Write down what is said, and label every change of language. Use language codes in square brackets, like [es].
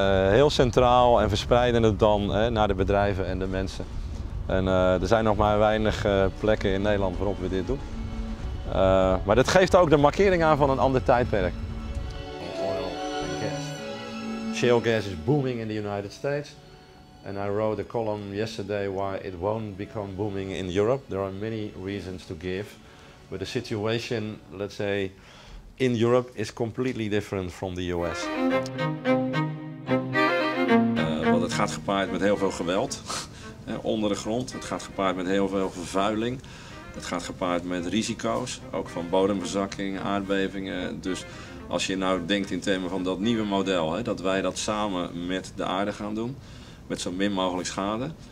[nl] Heel centraal en verspreidende dan naar de bedrijven en de mensen. En er zijn nog maar weinig plekken in Nederland waarop we dit doen. Maar dat geeft ook de markering aan van een ander tijdperk. [en] Oil and gas. Shale gas is booming in the United States. And I wrote a column yesterday why it won't become booming in Europe. There are many reasons to give. But the situation, let's say, in Europe is completely different from the US. [nl] Want het gaat gepaard met heel veel geweld onder de grond. Het gaat gepaard met heel veel vervuiling. Het gaat gepaard met risico's, ook van bodemverzakking, aardbevingen. Dus als je nou denkt in termen van dat nieuwe model, hè, dat wij dat samen met de aarde gaan doen, met zo min mogelijk schade.